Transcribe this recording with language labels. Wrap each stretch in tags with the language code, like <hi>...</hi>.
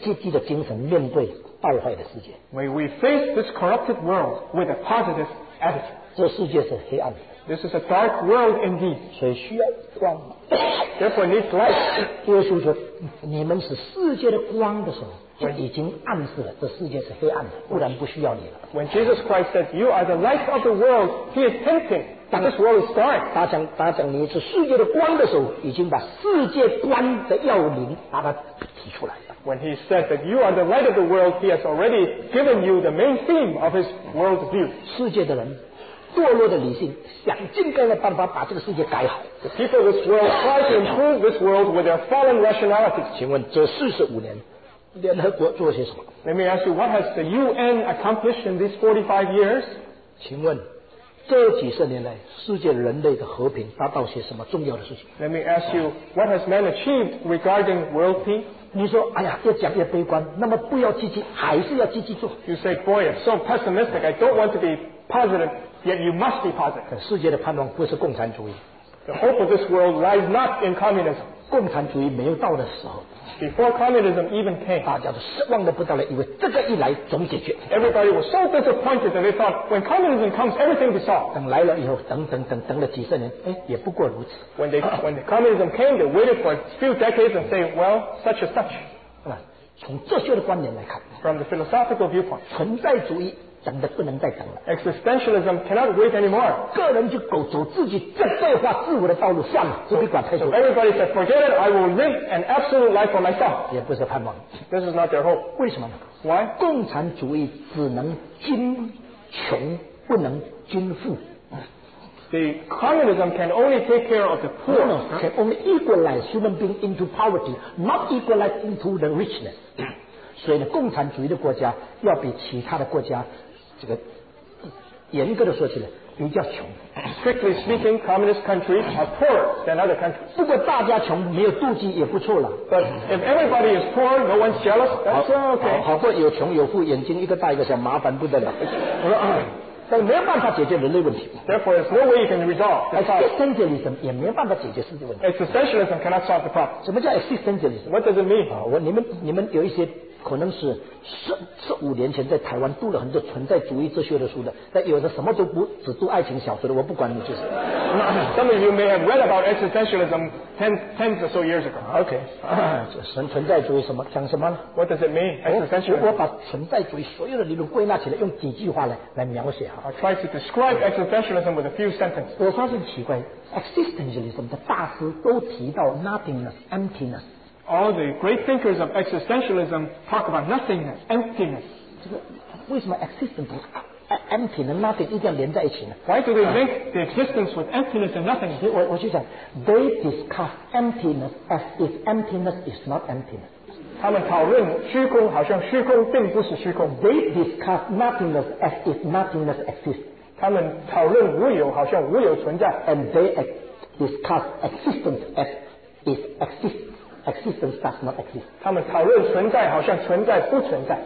<zh>带领我们每一个人用这样积极的精神面对败坏的世界。</zh> <en>May we face this corrupted world with a positive attitude.</en> <zh>这世界是黑暗的。</zh> <en>This is a dark world indeed.</en> <zh>所以需要光。</zh> <en>Therefore needs light.</en> <zh>耶稣说, 你们是世界的光的时候, 就已经暗示了这世界是黑暗的，不然不需要你了。</zh> <en>When Jesus Christ said, you are the light of the world, he is hinting. This world is dark.</en> <zh>他讲你是世界的光的时候, 已经把世界观的要领把它提出来了。</zh> <en>When he said that you are the light of the world, he has already given you the main theme of his world view.</en> <zh>世界的人, 堕落的理性, 想尽各样的办法把这个世界改好。</zh> <en>The people of this world try to improve this world with their fallen rationality.</en> <zh>请问这45年, 联合国做些什么?</zh> <en>Let me ask you, what has the UN accomplished in these 45 years?</en> <zh>请问, 这几十年来, 世界人类的和平, 达到些什么重要的事情?</zh> <en>Let me ask you, what has man achieved regarding world peace?</en> <zh>你说, 哎呀, 越讲越悲观, 那么不要积极, 还是要积极做。</zh> <en>You say, boy, I'm so pessimistic, I don't want to be positive, yet you must be positive.</en> <zh>世界的盼望不是共产主义。</zh> <en>The hope of this world lies not in communism.</en> <zh>共产主义没有到的时候</zh> <en>，before communism even came，</en> <zh>大家都失望的不得了，以为这个一来总解决。</zh> <en>Everybody was so disappointed that they thought when communism comes, everything will be solved。</en> <zh>等来了以后，等了几十年，哎，也不过如此。</zh> <en>When communism came, they waited for a few decades and say, well, such and such。</en> <zh>从哲学的观点来看</zh> <en>，from the philosophical viewpoint，</en> <zh>存在主义。等得不能再等了。</zh> <en>Existentialism cannot wait anymore.</en> <zh>个人就走自己自在化自我的道路算了，不必管太多。</zh> <en>So everybody said, forget it. I will live an absolute life for myself.</en> <zh>也不是盼望。</zh> <en>This is not their hope.</en> <zh>为什么呢</zh> <en>？Why?</en> <zh>共产主义只能均穷，不能均富。</zh> <en>The communism can only take care of the poor. No, can only equalize human beings into poverty, not equalize into the richness.</en> <zh>所以呢，共产主义的国家要比其他的国家，这个严格的说起来比较穷。</zh> <en>Strictly speaking, communist countries are poorer than other countries.</en> <zh>不过大家穷没有妒忌也不错了。</zh> <en>But if everybody is poor, no one's jealous. That's okay.</en> <zh>好过有穷有富，眼睛一个大一个小，麻烦不得了。但没有办法解决人类问题。</zh> <en>Therefore, there's no way you can resolve.</en> <zh>Existentialism 也没有办法解决世界问题。</zh> <en>Existentialism cannot solve the problem.</en> <zh>什么叫 existentialism?</zh> <en>What does it mean?</en> <zh>你们有一些。可能是15年前在台湾读了很多存在主义哲学的书的，但有的什么都不只读爱情小说的，我不管你就是。</zh> <en>Some of you may have read about existentialism tens or so years ago.</en> <zh>OK， 存在主义什么讲什么呢</zh> <en>？What does it mean? Existentialism.</en> <zh>我把存在主义所有的理论归纳起来，用几句话来描写哈。</zh> <en>I try to describe existentialism with a few sentences.</en> <zh>我发现奇怪 ，existentialism 的大师都提到</zh> <en>nothingness, emptiness。 All the great thinkers of existentialism talk about nothingness, emptiness.</en> <zh>这个为什么 existence 不 empty 呢 ？Nothing 一定要连在一起呢</zh> <en>？Why do they link the existence with emptiness and nothingness?</en> <zh>我就想</zh> <en>，they discuss emptiness as if emptiness is not emptiness.</en> <zh>他们讨论虚空，好像虚空并不是虚空。</zh> <en>They discuss nothingness as if nothingness exists.</en> <zh>他们讨论无有，好像无有存在。</zh> <en>And they discuss existence as if existence. Existence does not exist.</en> <zh>他们讨论存在，好像存在不存在。</zh>